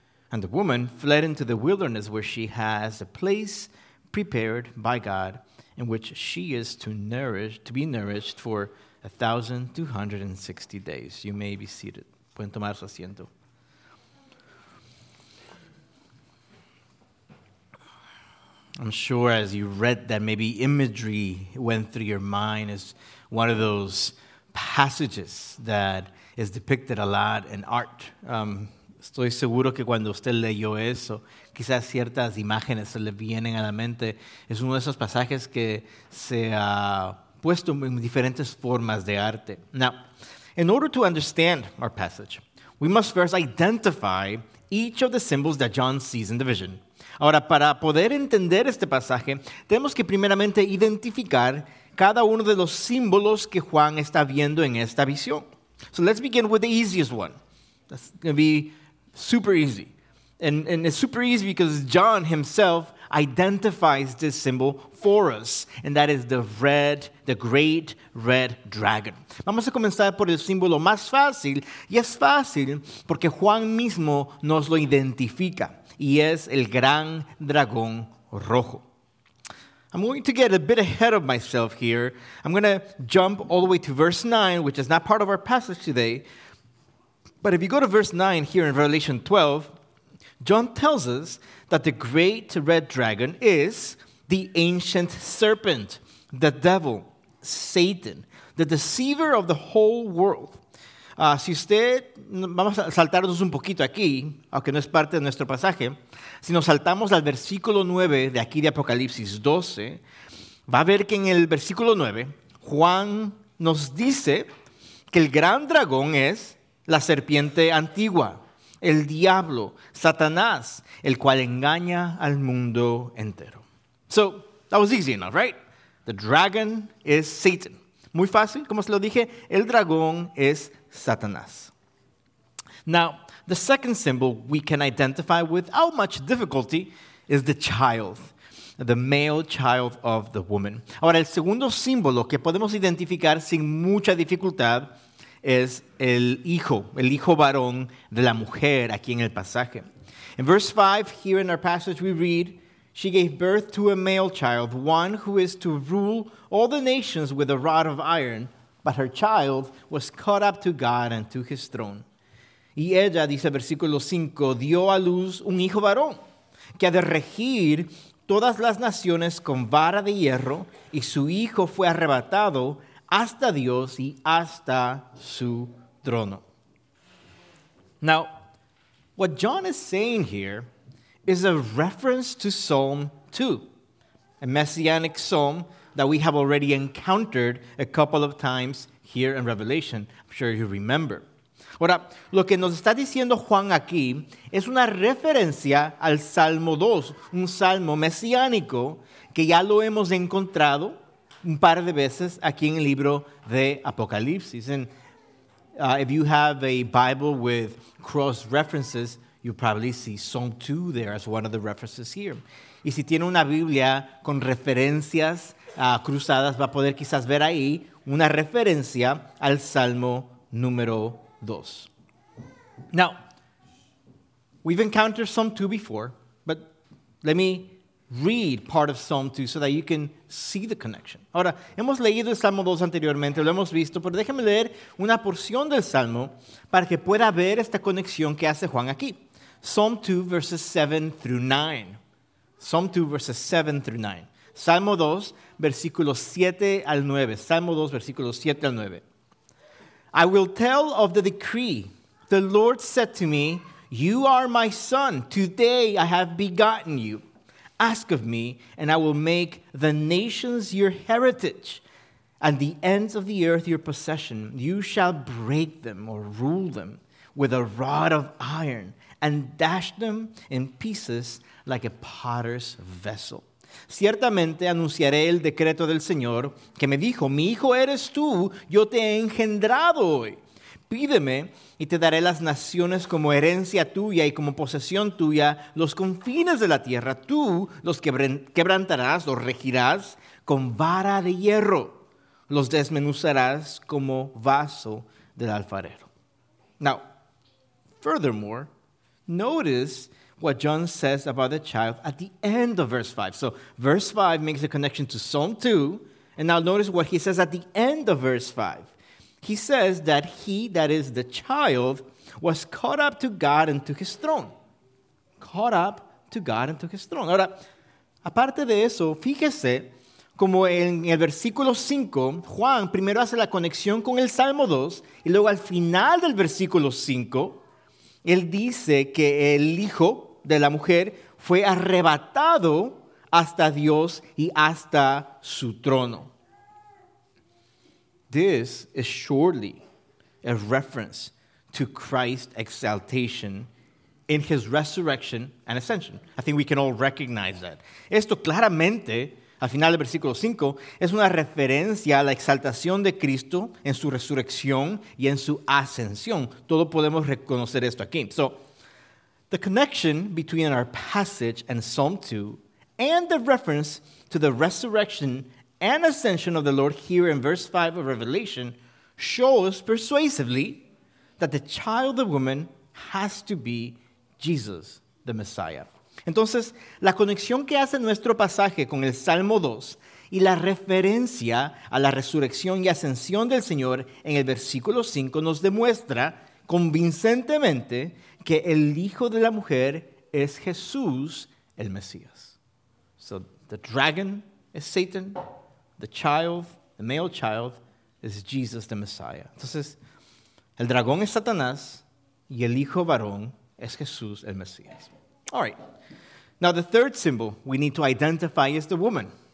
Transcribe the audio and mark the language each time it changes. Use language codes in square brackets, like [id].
[en] And the woman fled into the wilderness, where she has a place prepared by God, in which she is to be nourished for 1,260 days. You may be seated. [es] Pueden tomar su asiento. [en] I'm sure as you read that, maybe imagery went through your mind as one of those passages that is depicted a lot in art. [es] Estoy seguro que cuando usted leyó eso, quizás ciertas imágenes se le vienen a la mente. Es uno de esos pasajes que se ha puesto en diferentes formas de arte. [en] Now, in order to understand our passage, we must first identify each of the symbols that John sees in the vision. [es] Ahora, para poder entender este pasaje, tenemos que primeramente identificar cada uno de los símbolos que Juan está viendo en esta visión. [en] So let's begin with the easiest one. That's going to be super easy. And it's super easy because John himself identifies this symbol for us, and that is the great red dragon. [es] Vamos a comenzar por el símbolo más fácil, y es fácil porque Juan mismo nos lo identifica, y es el gran dragón rojo. [en] I'm going to get a bit ahead of myself here. I'm going to jump all the way to verse 9, which is not part of our passage today. But if you go to verse 9 here in Revelation 12, John tells us that the great red dragon is the ancient serpent, the devil, Satan, the deceiver of the whole world. [es] Si usted, vamos a saltarnos un poquito aquí, aunque no es parte de nuestro pasaje, si nos saltamos al versículo 9 de aquí de Apocalipsis 12, va a ver que en el versículo 9, Juan nos dice que el gran dragón es la serpiente antigua, el diablo, Satanás, el cual engaña al mundo entero. [en] So, that was easy enough, right? The dragon is Satan. [es] Muy fácil, como se lo dije, el dragón es Satanás. [en] Now, the second symbol we can identify without much difficulty is the child. the male child of the woman. [es] Ahora, el segundo símbolo que podemos identificar sin mucha dificultad es el hijo varón de la mujer aquí en el pasaje. [en] In verse 5, here in our passage we read, she gave birth to a male child, one who is to rule all the nations with a rod of iron, but her child was caught up to God and to his throne. [es] Y ella, dice versículo 5, dio a luz un hijo varón, que ha de regir todas las naciones con vara de hierro, y su hijo fue arrebatado hasta Dios y hasta su trono. [en] Now, what John is saying here is a reference to Psalm 2, a messianic psalm that we have already encountered a couple of times here in Revelation. I'm sure you remember. [es] Ahora, lo que nos está diciendo Juan aquí es una referencia al Salmo 2, un salmo mesiánico que ya lo hemos encontrado un par de veces aquí en el libro de Apocalipsis. [en] And if you have a Bible with cross references, you probably see Psalm 2 there as one of the references here. [es] Y si tiene una Biblia con referencias cruzadas, va a poder quizás ver ahí una referencia al Salmo número 2. [en] Now, we've encountered Psalm 2 before, but let me read part of Psalm 2 so that you can see the connection. [es] Ahora, hemos leído el Salmo 2 anteriormente, lo hemos visto, pero déjame leer una porción del Salmo para que pueda ver esta conexión que hace Juan aquí. [en] Psalm 2, verses 7 through 9. Psalm 2, verses 7 through 9. [es] Salmo 2, versículos 7 al 9. Salmo 2, versículos 7 al 9. [en] I will tell of the decree. The Lord said to me, "You are my son. Today I have begotten you. Ask of me, and I will make the nations your heritage, and the ends of the earth your possession. You shall break them or rule them with a rod of iron and dash them in pieces like a potter's vessel." [es] Ciertamente anunciaré el decreto del Señor, que me dijo, mi hijo eres tú, yo te he engendrado hoy. Pídeme y te daré las naciones como herencia tuya y como posesión tuya, los confines de la tierra, tú los quebrantarás o regirás con vara de hierro, los desmenuzarás como vaso del alfarero. [en] Now, furthermore, notice what John says about the child at the end of verse 5. So verse 5 makes a connection to Psalm 2. And now notice what he says at the end of verse 5. He says that he, that is the child, was caught up to God and to his throne. Caught up to God and to his throne. [es] Ahora, aparte de eso, fíjese como en el versículo 5, Juan primero hace la conexión con el Salmo 2 y luego al final del versículo 5, él dice que el hijo de la mujer fue arrebatado hasta Dios y hasta su trono. [en] This is surely a reference to Christ's exaltation in his resurrection and ascension. I think we can all recognize that. [es] Esto claramente, al final del versículo 5, es una referencia a la exaltación de Cristo en su resurrección y en su ascensión. Todos podemos reconocer esto aquí. [en] So, the connection between our passage and Psalm 2 and the reference to the resurrection and ascension of the Lord here in verse 5 of Revelation shows persuasively that the child, the woman, has to be Jesus, the Messiah. [es] Entonces, la conexión que hace nuestro pasaje con el Salmo 2 y la referencia a la resurrección y ascensión del Señor en el versículo 5 nos demuestra convincentemente que el Hijo de la Mujer es Jesús, el Mesías. [en] So, the dragon is Satan, the child, the male child, is Jesus, the Messiah. [es] Entonces, el dragón es Satanás y el Hijo varón es Jesús, el Mesías. [en] All right. Now, the third symbol we need to identify is the woman.